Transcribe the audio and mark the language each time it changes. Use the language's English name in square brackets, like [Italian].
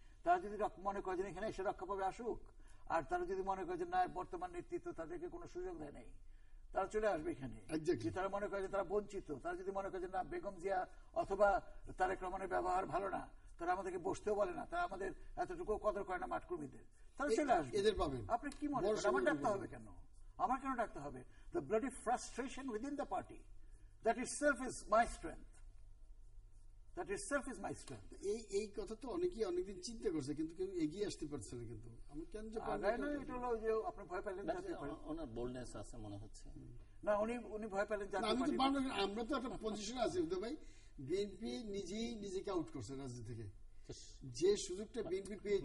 [Bangla] তারা যদি মনে করে যে এখানে এসে রক্ষা পাবে আসুক, আর তারা যদি মনে করে যে না বর্তমান নেতৃত্ব তাদেরকে কোনো সুযোগ দেয় নাই, তারা চলে আসবে এখানে। তারা মনে করে যে তারা বঞ্চিত, তারা যদি মনে করে যে না বেগম জিয়া অথবা তারেক রহমানের ব্যবহার ভালো না, তারা আমাদেরকে বসতেও বলে না, তারা আমাদের এতটুকু কদর করে না মাঠ কর্মীদের, তারা চলে আসবে, এদের পাবে। আপনি কি মনে করেন আমার ডাকতে হবে কেন, আমার কেন ডাকতে হবে? [English] The bloody frustration within the party, that itself is my strength. That itself is my strength. [Bangla] এই কথা তো অনেকেই অনেকদিন চিন্তা করছে কিন্তু কেউ এগিয়ে আসতে পারছে না। কিন্তু আমি কেন যে আপনি ভয় পেলেন, ওনার বোল্ডনেস আছে মনে হচ্ছে, না উনি উনি ভয় পেলেন জানতে পারি, আমি তো মানে আমরা তো একটা পজিশনে আছি উদয় ভাই, বিএনপি নিজেই নিজেকে আউট করছে রাজনীতি থেকে, যে সুযোগটা বিএনপি পেয়েছে